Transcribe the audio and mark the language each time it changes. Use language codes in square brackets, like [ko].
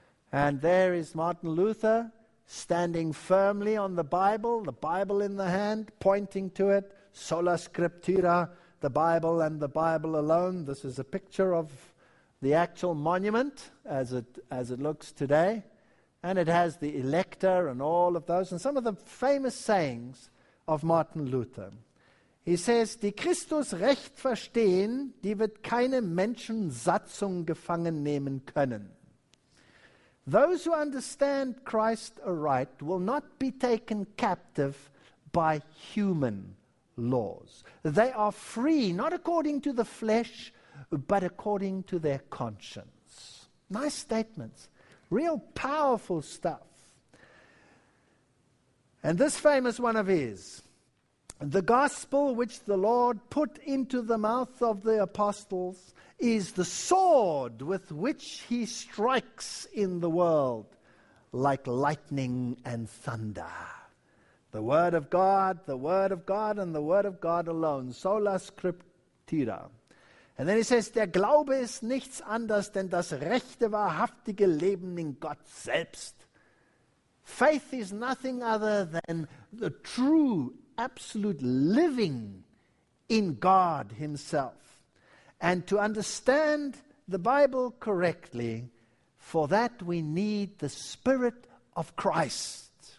[en] And there is Martin Luther standing firmly on the Bible in the hand, pointing to it, sola scriptura, the Bible and the Bible alone. This is a picture of the actual monument as it looks today. And it has the elector and all of those. And some of the famous sayings of Martin Luther. He says, [de] die Christus recht verstehen, die wird keine Menschensatzung gefangen nehmen können. [en] Those who understand Christ aright will not be taken captive by human laws. They are free, not according to the flesh, but according to their conscience. Nice statements. Real powerful stuff. And this famous one of his, the gospel which the Lord put into the mouth of the apostles is the sword with which he strikes in the world like lightning and thunder. The word of God, the word of God, and the word of God alone. [la] Sola scriptura. [en] And then he says, [de] der Glaube ist nichts anders denn das rechte, wahrhaftige Leben in Gott selbst. [en] Faith is nothing other than the true, absolute living in God himself. And to understand the Bible correctly, for that we need the Spirit of Christ.